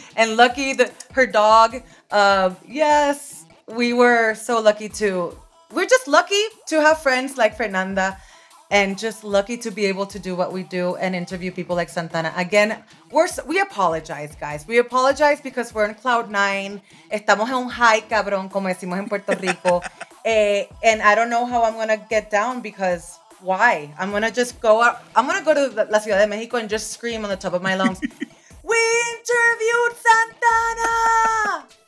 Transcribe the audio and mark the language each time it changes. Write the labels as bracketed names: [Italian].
[English] And Lucky, her dog. Yes, we were so lucky to. We're just lucky to have friends like Fernanda and just lucky to be able to do what we do and interview people like Santana. Again, we apologize, guys. We apologize because we're in cloud nine. [Spanish] Estamos en un high, cabrón, como decimos en Puerto Rico. [English] And I don't know how I'm going to get down because why? I'm going to go to La Ciudad de Mexico and just scream on the top of my lungs, we interviewed Santana!